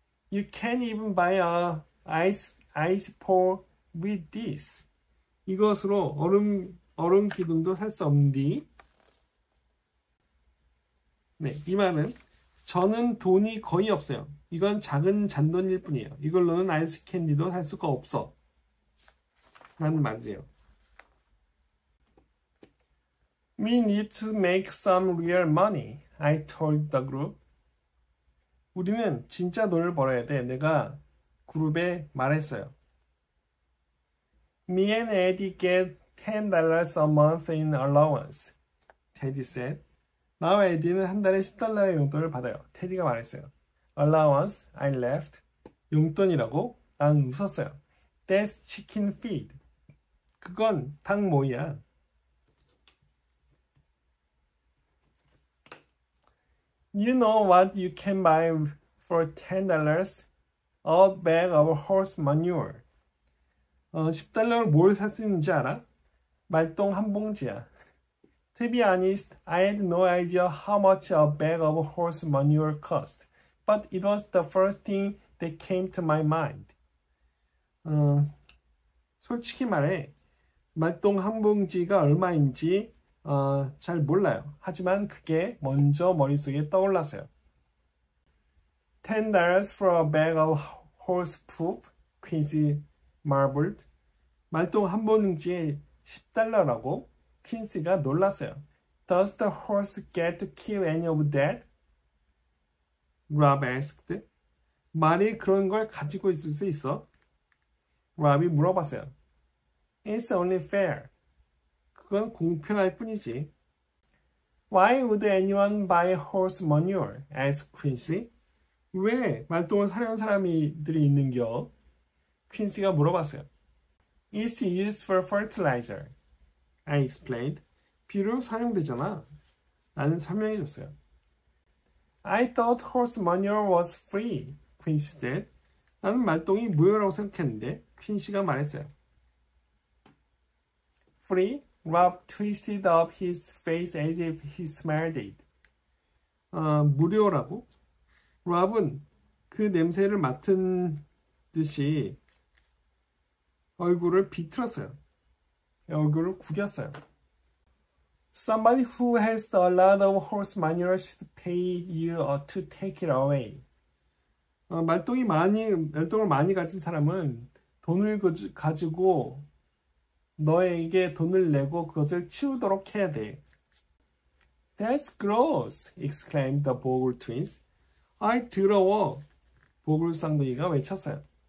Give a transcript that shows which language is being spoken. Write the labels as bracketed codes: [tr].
[en] You can't even buy a ice pole with this. [ko] 이것으로 얼음 기둥도 살수 없니? 네, 이 말은 저는 돈이 거의 없어요. 이건 작은 잔돈일 뿐이에요. 이걸로는 아이스 캔디도 살 수가 없어. 라는 말이에요. [en] We need to make some real money, I told the group. [ko] 우리는 진짜 돈을 벌어야 돼. 내가 그룹에 말했어요. [en] Me and Eddie get $10 a month in allowance. [ko] 테디 [en] said. Now [ko] Eddie는 한 달에 10달러의 용돈을 받아요. 테디가 말했어요. [en] Allowance, I laughed. [ko] 용돈이라고? 나는 웃었어요. [en] That's chicken feed. [ko] 그건 닭 모이야. [en] 'You know what you can buy for $10? A bag of horse manure. [ko] 10달러를 뭘살수 있는지 알아? 말똥 한 봉지야. [en] To be honest, I had no idea how much a bag of horse manure cost, but it was the first thing that came to my mind. [ko] 솔직히 말해, 말똥 한 봉지가 얼마인지 잘 몰라요. 하지만 그게 먼저 머릿속에 떠올랐어요. [en] $10 for a bag of horse poop, Quincy marveled. [ko] 말똥 한 봉지에 10달러라고? 퀸시가 놀랐어요. [en] Does the horse get to kill any of that? Rob asked. [ko] 말이 그런 걸 가지고 있을 수 있어? Rob이 물어봤어요. [en] It's only fair. [ko] 그건 공평할 뿐이지. [en] Why would anyone buy horse manure? asked Quincy. [ko] 왜 말똥을 사려는 사람들이 있는겨? 퀸시가 물어봤어요. [en] It's used for fertilizer, I explained. [ko] 비료로 사용되잖아. 나는 설명해줬어요. [en] I thought horse manure was free, Quincy said. [ko] 나는 말똥이 무료라고 생각했는데, Quincy가 말했어요. [en] Free? Rob twisted up his face as if he smelled it. [ko] 무료라고? Rob은 그 냄새를 맡은 듯이 얼굴을 비틀었어요. 얼굴을 구겼어요. [en] Somebody who has a lot of horse manure should pay you to take it away. [ko] 말똥을 많이 가진 사람은 돈을 가지고 너에게 돈을 내고 그것을 치우도록 해야 돼. [en] That's gross, exclaimed the Bogle twins. [ko] I 더러워, 보글 쌍둥이가 외쳤어요.